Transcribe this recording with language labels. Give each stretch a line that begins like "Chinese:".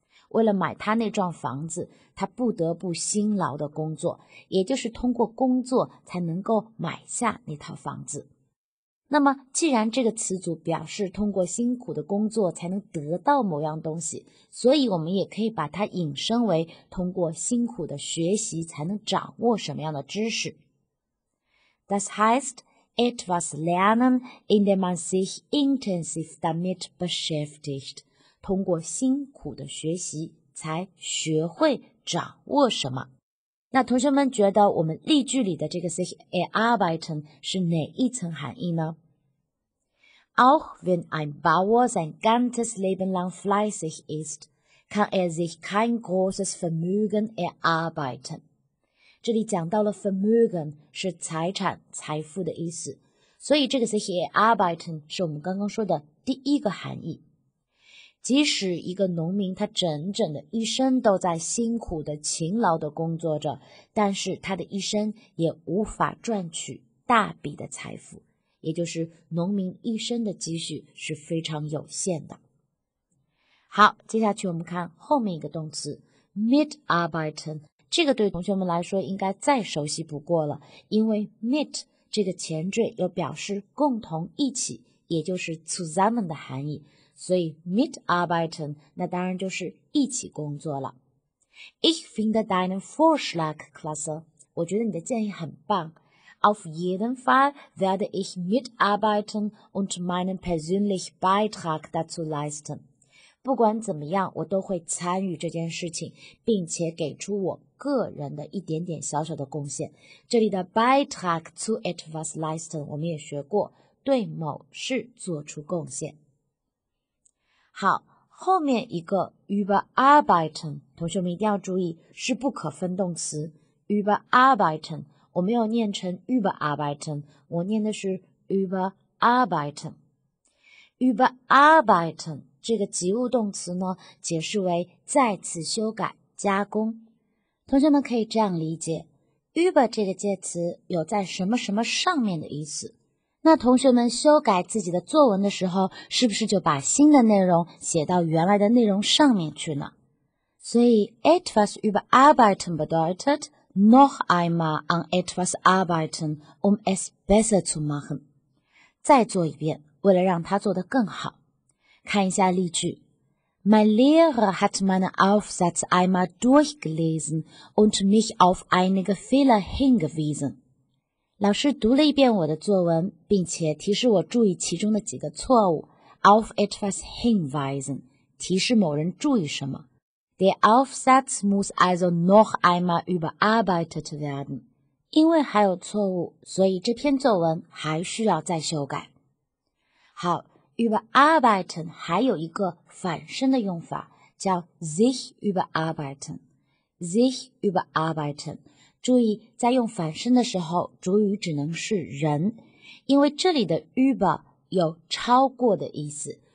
Chinese: 为了买他那幢房子，他不得不辛劳的工作，也就是通过工作才能够买下那套房子。那么既然这个词组表示通过辛苦的工作才能得到某样东西，所以我们也可以把它引申为通过辛苦的学习才能掌握什么样的知识。
German: Das heißt, etwas lernen, indem man sich intensiv damit beschäftigt.
Chinese: 通过辛苦的学习才学会掌握什么。那同学们觉得我们例句里的这个 sich erarbeiten 是哪一层含义呢？
German: Auch wenn ein Bauer sein ganzes Leben lang fleißig ist, kann er sich kein großes Vermögen erarbeiten.
Chinese: 这里讲到了 Vermögen 是财产、财富的意思，所以这个 sich erarbeiten 是我们刚刚说的第一个含义。即使一个农民他整整的一生都在辛苦的、勤劳的工作着，但是他的一生也无法赚取大笔的财富，也就是农民一生的积蓄是非常有限的。好，接下去我们看后面一个动词 mitarbeiten， 这个对同学们来说应该再熟悉不过了，因为 mit 这个前缀有表示共同、一起，也就是 zusammen 的含义，所以 mitarbeiten 那当然就是一起工作了。
German: Ich finde deinen Vorschlag klasse，
Chinese: 我觉得你的建议很棒。
German: Auf jeden Fall werde ich mitarbeiten und meinen persönlichen Beitrag dazu leisten.
Chinese: 不管怎么样，我都会参与这件事情，并且给出我个人的一点点小小的贡献。这里的
German: Beitrag zu etwas leisten
Chinese: 我们也学过，对某事做出贡献。好，后面一个 überarbeiten， 同学们一定要注意，是不可分动词 überarbeiten。我没有念成 überarbeiten， 我念的是 überarbeiten。 überarbeiten 这个及物动词呢，解释为再次修改、加工。同学们可以这样理解 ，über 这个介词有在什么什么上面的意思。那同学们修改自己的作文的时候，是不是就把新的内容写到原来的内容上面去呢？所以
German: etwas überarbeiten bedeutet。 Noch einmal an etwas arbeiten, um es besser zu machen.
Chinese: 再做一遍，为了让它做得更好。看一下例句。
German: Mein Lehrer hat meinen Aufsatz einmal durchgelesen und mich auf einige Fehler hingewiesen.
Chinese: 老师读了一遍我的作文，并且提示我注意其中的几个错误。
German: Auf etwas hinweisen,
Chinese: 提示某人注意什么。
German: Der Aufsatz muss also noch einmal überarbeitet werden.
Chinese: 因为还有错误，所以这篇作文还需要再修改。好， überarbeiten 还有一个反身的用法，叫
German: sich überarbeiten。 sich überarbeiten，
Chinese: 注意在用反身的时候，主语只能是人，因为这里的 über 有超过的意思。